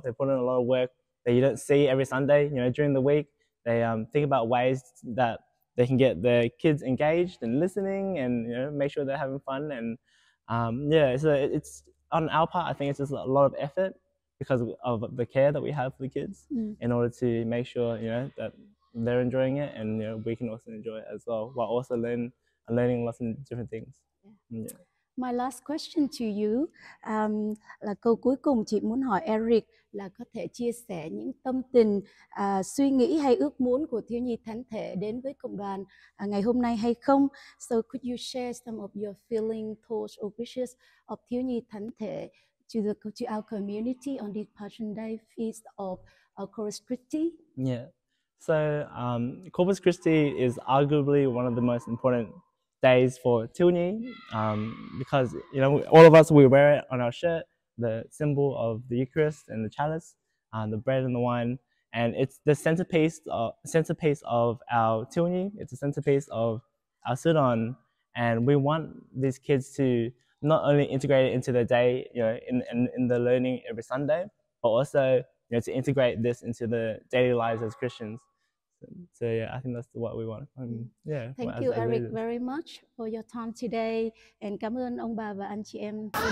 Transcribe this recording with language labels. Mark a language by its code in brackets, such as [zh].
[en] They put in a lot of work that you don't see every Sunday. You know, during the week, they think about ways that they can get their kids engaged and listening, and you know, make sure they're having fun. And it's on our part, I think it's just a lot of effort because of the care that we have for the kids, mm-hmm. in order to make sure, you know, that they're enjoying it, and you know, we can also enjoy it as well, while also learning lots of different things. Yeah. My last question to you, [vi] là câu cuối cùng chị muốn hỏi Eric là có thể chia sẻ những tâm tình, suy nghĩ hay ước muốn của thiếu nhi thánh thể đến với cộng đoàn ngày hôm nay hay không? [en] So could you share some of your feeling, thoughts or wishes of thiếu nhi thánh thể to our community on this Passion Day feast of Corpus Christi? Yeah. So Corpus Christi is arguably one of the most important days for Tilni, because you know, all of us, we wear it on our shirt, the symbol of the Eucharist and the chalice, the bread and the wine, and it's the centerpiece of our Tilni. It's the centerpiece of our Sudan, and we want these kids to not only integrate it into their day, you know, in the learning every Sunday, but also, you know, to integrate this into the daily lives as Christians. So yeah, I think that's what we want. Thank you, Eric, very much for your time today, and [vi] cảm ơn ông bà và anh chị em.